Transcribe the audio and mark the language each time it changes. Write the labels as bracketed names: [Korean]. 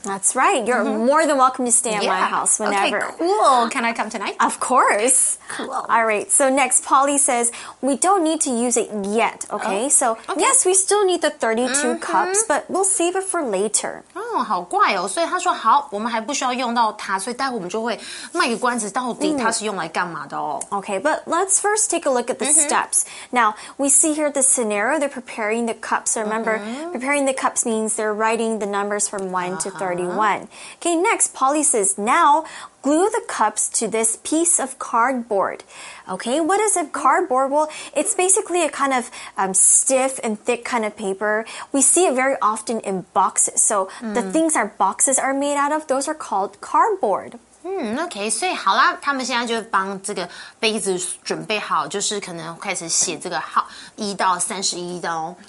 [English] That's right, you're more than welcome to stay at my house whenever. Okay, cool. Can I come tonight? Of course. Cool. All right. So next, Polly says we don't need to use it yet. Okay. So yes, we still need the 32 cups, but we'll save it for later. [Chinese] 好怪哦。所以他说好，我们还不需要用到它，所以待会我们就会卖个关子，到底。它是用来干嘛的哦 [English] Okay, but let's first take a look at the steps. Now, we see here the scenario, they're preparing the cups. So remember, preparing the cups means they're writing the numbers from 1 to 31. Okay, next, Polly says, now, glue the cups to this piece of cardboard. Okay, what is a cardboard? Well, it's basically a kind of stiff and thick kind of paper. We see it very often in boxes. So the things our boxes are made out of, those are called cardboard. [Chinese] OK, 所以好啦，他们现在就帮这个杯子准备好，就是可能开始写这个号一到三十一的哦。